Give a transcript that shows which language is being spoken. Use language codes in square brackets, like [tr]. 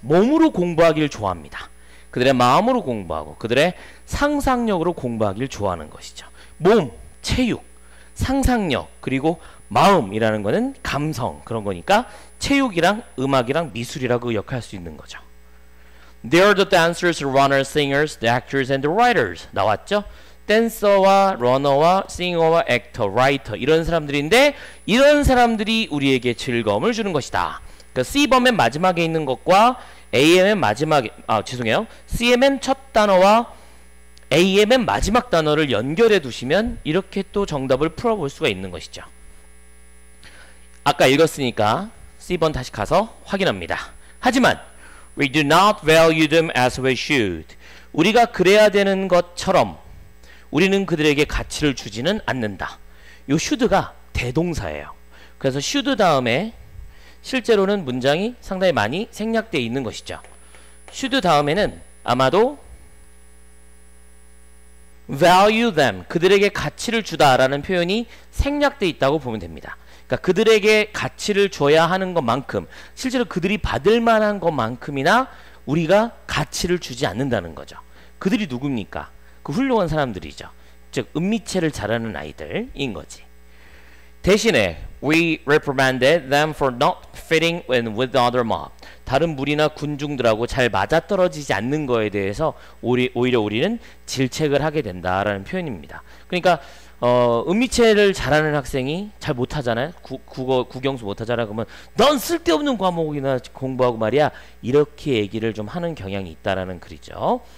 [ko] 몸으로 공부하기를 좋아합니다. 그들의 마음으로 공부하고 그들의 상상력으로 공부하기를 좋아하는 것이죠. 몸, 체육, 상상력, 그리고 마음이라는 거는 감성, 그런 거니까 체육이랑 음악이랑 미술이라고 역할할 수 있는 거죠. [en] They are the dancers, runners, singers, the actors and the writers. [ko] 나왔죠? 댄서와 러너와 싱어와 액터, 라이터 이런 사람들인데 이런 사람들이 우리에게 즐거움을 주는 것이다. 그러니까 C번 맨 마지막에 있는 것과 A의 맨 마지막에, 아 죄송해요. C의 맨 첫 단어와 A의 맨 마지막 단어를 연결해 두시면 이렇게 또 정답을 풀어볼 수가 있는 것이죠. 아까 읽었으니까 C번 다시 가서 확인합니다. 하지만 [en] We do not value them as we should. [ko] 우리가 그래야 되는 것처럼 우리는 그들에게 가치를 주지는 않는다. 요 should가 대동사예요. 그래서 should 다음에 실제로는 문장이 상당히 많이 생략되어 있는 것이죠. should 다음에는 아마도 value them, 그들에게 가치를 주다라는 표현이 생략되어 있다고 보면 됩니다. 그러니까 그들에게 가치를 줘야 하는 것만큼 실제로 그들이 받을 만한 것만큼이나 우리가 가치를 주지 않는다는 거죠. 그들이 누굽니까? 그 훌륭한 사람들이죠. 즉 은미체를 잘하는 아이들인 거지. 대신에 [en] we reprimanded them for not fitting in with the other mob. [ko] 다른 무리나 군중들하고 잘 맞아떨어지지 않는 거에 대해서 오히려 우리는 질책을 하게 된다라는 표현입니다. 그러니까 은미체를 잘하는 학생이 잘 못하잖아요. 국어 국영수 못하잖아. 그러면 넌 쓸데없는 과목이나 공부하고 말이야. 이렇게 얘기를 좀 하는 경향이 있다라는 글이죠.